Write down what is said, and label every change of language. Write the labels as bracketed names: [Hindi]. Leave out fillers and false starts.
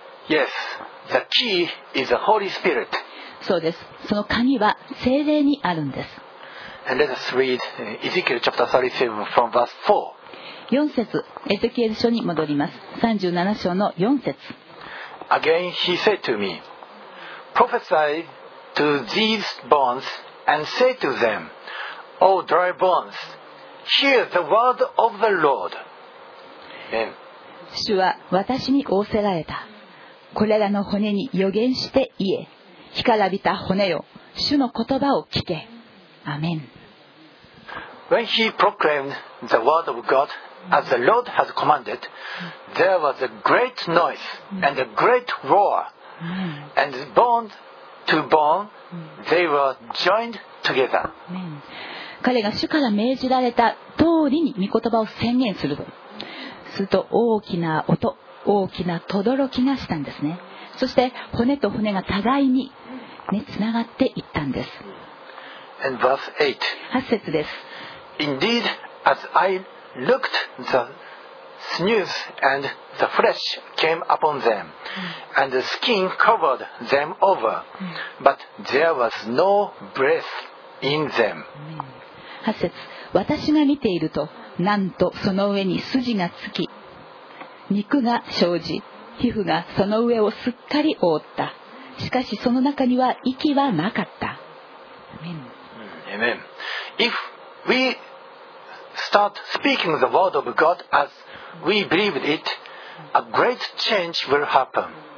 [English] Yes, the key is the Holy Spirit. [Japanese] そうです。その鍵は聖霊にあるんです。 [English] And let us read Ezekiel chapter 37 from verse 4. [Japanese] 4節、エゼキエル書に戻ります。 37章の4節。 [English] Again he said to me, Prophesy to these bones and say to them, O dry bones, hear the word of the Lord. [Japanese] 主は私に仰せられた。これらの骨に預言して言え。干からびた骨よ、主の言葉を聞け。アメン。 [English] When he proclaimed the word of GodAs the Lord has commanded, there was a great noise and a great roar, and bone to bone, they were joined together. [Japanese] 彼が主から命じられた通りに御言葉を宣言すると、すると大きな音、大きな轟きがしたんですね。そして骨と骨が互いに、ね、つながっていったんです。 [English] And verse 8. [Japanese] 8節です。 [English] Indeed, as I looked, the sinews and the flesh came upon them, and the skin covered them over, but there was no breath in them. [Japanese] 8節。私が見ていると、なんとその上に筋がつき、肉が生じ、皮膚がその上をすっかり覆った。しかしその中には息はなかった。 [English] Amen. If we start speaking the word of God as we believed it, a great change will happen.